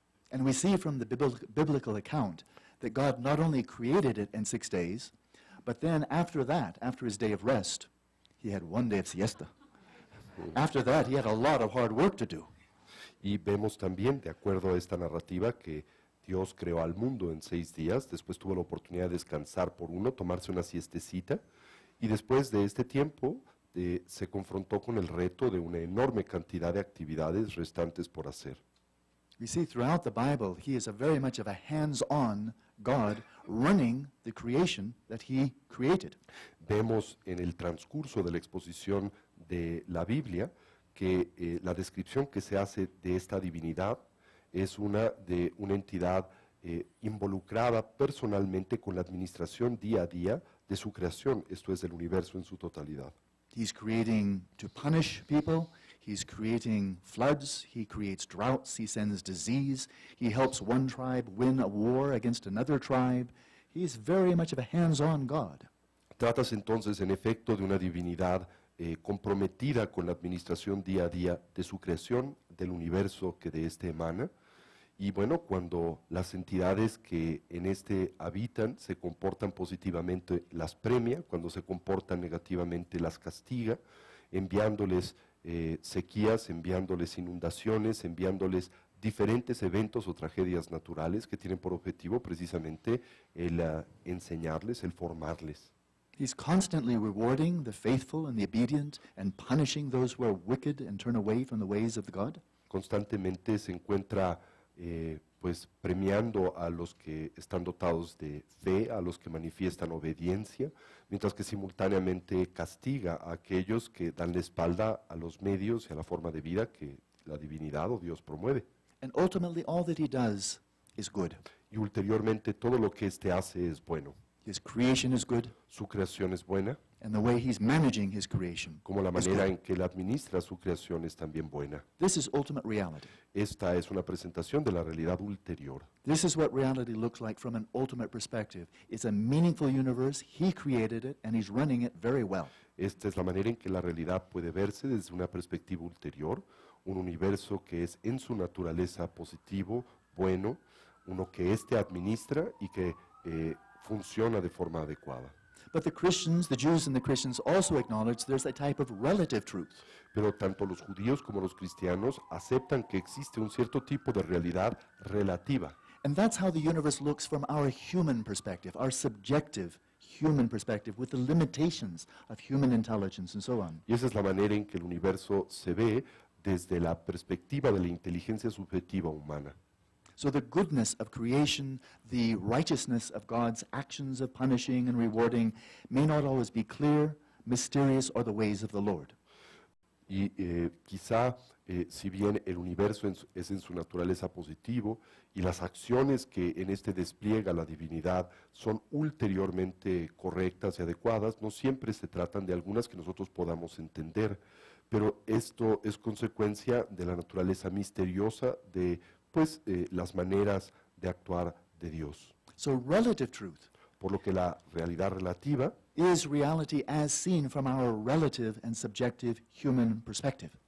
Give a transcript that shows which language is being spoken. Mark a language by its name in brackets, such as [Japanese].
[English] And we see from the biblical account that God not only created it in 6 days, but then after that, after his day of rest, he had one day of siesta. After that, he had a lot of hard work to do. [Spanish] Y vemos también, de acuerdo a esta narrativa, que Dios creó al mundo en 6 días, después tuvo la oportunidad de descansar por uno, tomarse una siestecita, y después de este tiempo, se confrontó con el reto de una enorme cantidad de actividades restantes por hacer. [English] We see throughout the Bible, he is a very much of a hands-on God running the creation that he created. [Spanish] Vemos en el transcurso de la exposición de la Biblia que la descripción que se hace de esta divinidad es una de una entidad involucrada personalmente con la administración día a día de su creación, esto es, del universo en su totalidad. [English] He's creating to punish people. He's creating floods, he creates droughts, he sends disease, he helps one tribe win a war against another tribe. He's very much of a hands-on God. [Spanish] Trátase entonces, en efecto, de una divinidad comprometida con la administración día a día de su creación, del universo que de este emana. Y bueno, cuando las entidades que en este habitan se comportan positivamente, las premia, cuando se comportan negativamente, las castiga, enviándoles sequías, enviándoles inundaciones, enviándoles diferentes eventos o tragedias naturales que tienen por objetivo precisamente el enseñarles, el formarles. [English] He's constantly rewarding the faithful and the obedient and punishing those who are wicked and turn away from the ways of the God. [Spanish] Constantemente se encuentra premiando a los que están dotados de fe, a los que manifiestan obediencia, mientras que simultáneamente castiga a aquellos que dan la espalda a los medios y a la forma de vida que la divinidad o Dios promueve. [English] And ultimately all that he does is good. [Spanish] Y ulteriormente todo lo que éste hace es bueno. [English] His creation is good. [Spanish] Su creación es buena. [English] And the way he's managing his creation. [Spanish] Como la manera en que él administra su creación es también buena. [English] This is ultimate reality. [Spanish] Esta es una presentación de la realidad ulterior. [English] This is what reality looks like from an ultimate perspective. It's a meaningful universe. He created it and he's running it very well. [Spanish] Esta es la manera en que la realidad puede verse desde una perspectiva ulterior. Un universo que es en su naturaleza positivo, bueno, uno que este administra y que funciona de forma adecuada. [English] But the Christians, the Jews and the Christians also acknowledge there's a type of relative truth. [Spanish] Pero tanto los judíos como los cristianos aceptan que existe un cierto tipo de realidad relativa. [English] And that's how the universe looks from our human perspective, our subjective human perspective, with the limitations of human intelligence and so on. [Spanish] Y esa es la manera en que el universo se ve desde la perspectiva de la inteligencia subjetiva humana. [English] So the goodness of creation, the righteousness of God's actions of punishing and rewarding may not always be clear, mysterious, or the ways of the Lord. [Spanish] Y quizá, si bien el universo es en su naturaleza positivo, y las acciones que en este despliega la divinidad son ulteriormente correctas y adecuadas, no siempre se tratan de algunas que nosotros podamos entender. Pero esto es consecuencia de la naturaleza misteriosa de pues las maneras de actuar de Dios. [English] So relative truth, [Spanish] por lo que la realidad relativa [English] is reality as seen from our relative and subjective human perspective.